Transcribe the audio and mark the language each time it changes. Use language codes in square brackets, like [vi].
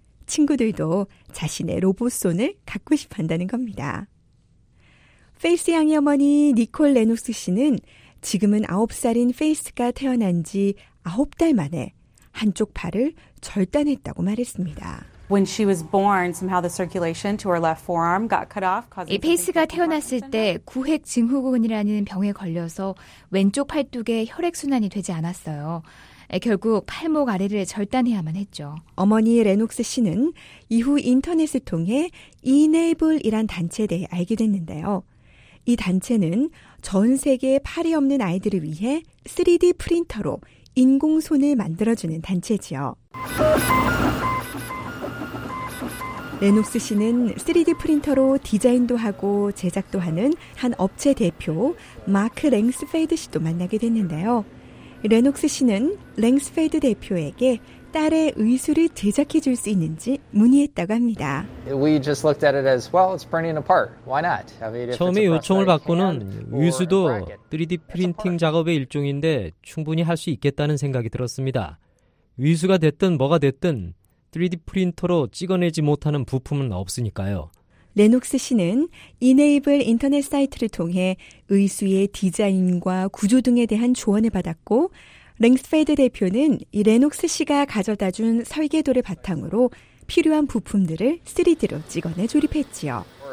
[ko] 친구들도 자신의 로봇 손을 갖고 싶어 한다는 겁니다. 페이스 양의 어머니 니콜 레녹스 씨는 지금은 9살인 페이스가 태어난 지 9달 만에 한쪽 팔을 절단했다고 말했습니다. [en] When she was born, somehow the circulation to her left forearm got cut off. [ko] 이 페이스가 태어났을 때 구획 증후군이라는 병에 걸려서 왼쪽 팔뚝에 혈액 순환이 되지 않았어요. 결국 팔목 아래를 절단해야만 했죠. 어머니 레녹스 씨는 이후 인터넷을 통해 Enable이란 단체에 대해 알게 됐는데요. 이 단체는 전 세계에 팔이 없는 아이들을 위해 3D 프린터로 인공 손을 만들어주는 단체지요. 레녹스 씨는 3D 프린터로 디자인도 하고 제작도 하는 한 업체 대표 마크 랭스페이드 씨도 만나게 됐는데요. 레녹스 씨는 랭스페이드 대표에게 딸의 의술을 제작해 줄 수 있는지 문의했다고 합니다. [en] We just looked at it as well. It's burning apart. Why not? I [ko] mean, 처음에 요청을 받고는 의수도 3D 프린팅 작업의 일종인데 충분히 할 수 있겠다는 생각이 들었습니다. 의수가 됐든 뭐가 됐든 3D 프린터로 찍어내지 못하는 부품은 없으니까요. 레녹스 씨는 이네이블 인터넷 사이트를 통해 의수의 디자인과 구조 등에 대한 조언을 받았고 랭스페이드 대표는 이 레녹스 씨가 가져다 준 설계도를 바탕으로 필요한 부품들을 3D로 찍어내 조립했지요.